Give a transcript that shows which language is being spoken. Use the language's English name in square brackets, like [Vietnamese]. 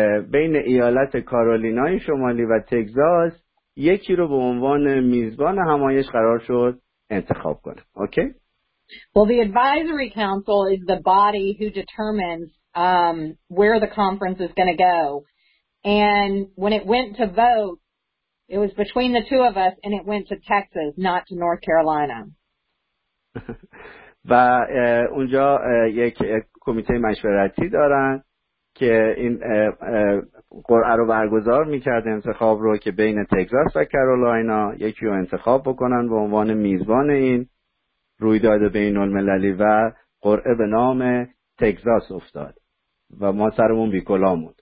[Persian] بین ایالت کارولینای شمالی و تگزاس یکی رو به عنوان میزبان همایش قرار شد انتخاب کنه. اوکی؟ [English] Well, the advisory council is the body who determines where the conference is going to go. And when it went to vote, it was between the two of us and it went to Texas, not to North Carolina. [Persian] و اونجا یک کمیته مشورتی دارن که این قرعه رو برگزار میکرد انتخاب رو که بین تگزاس و کارولینا یکی رو انتخاب بکنن به عنوان میزبان این رویداد بین المللی و قرعه به نام تگزاس افتاد و ما سرمون بیکلامون.